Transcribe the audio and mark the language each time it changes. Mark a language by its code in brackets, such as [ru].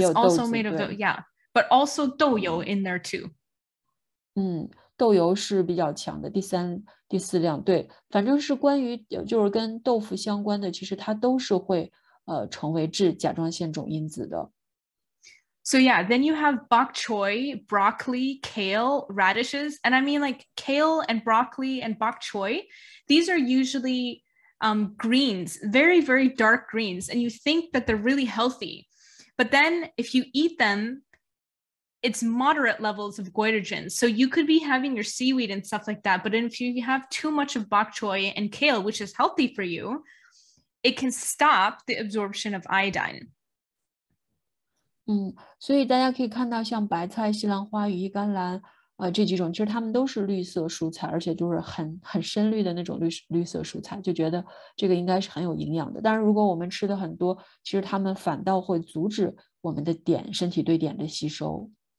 [zh] 有豆 [en] also [zh] 子， [en] made of [zh] 对， [en] but also 豆油 in there too。 [zh] 豆油是比较强的，第四量，对，反正是关于就是跟豆腐相关的，其实它都是会成为致甲状腺肿因子的。 [en] So yeah, then you have bok choy, broccoli, kale, radishes, and I mean like kale and broccoli and bok choy. These are usually greens, very, very dark greens, and you think that they're really healthy. But then if you eat them, it's moderate levels of goitrogen. So you could be having your seaweed and stuff like that. But then if you have too much of bok choy and kale, which is healthy for you, it can stop the absorption of iodine. [zh] 所以大家可以看到，像白菜、西兰花、羽衣甘蓝，这几种其实它们都是绿色蔬菜，而且就是很深绿的那种绿色蔬菜，就觉得这个应该是很有营养的。但是如果我们吃的很多，其实它们反倒会阻止我们的碘，身体对碘的吸收。